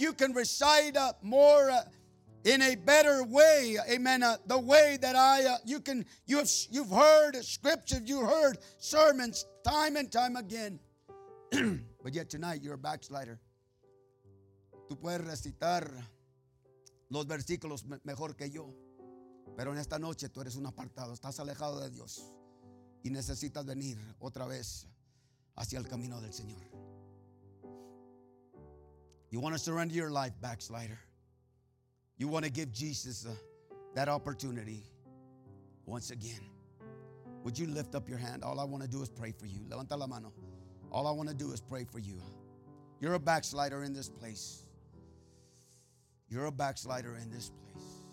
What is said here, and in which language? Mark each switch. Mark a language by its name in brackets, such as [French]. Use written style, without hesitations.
[English] You can recite more in a better way. Amen. The way that I, you've heard scriptures, you heard sermons time and time again. But yet tonight you're a backslider. [Spanish] Tú puedes recitar los versículos mejor que yo. Pero en esta noche tú eres un apartado, estás alejado de Dios y necesitas venir otra vez hacia el camino del Señor. [English] You want to surrender your life, backslider. You want to give Jesus that opportunity once again. Would you lift up your hand? All I want to do is pray for you. [Spanish] Levanta la mano. [English] All I want to do is pray for you. You're a backslider in this place. You're a backslider in this place.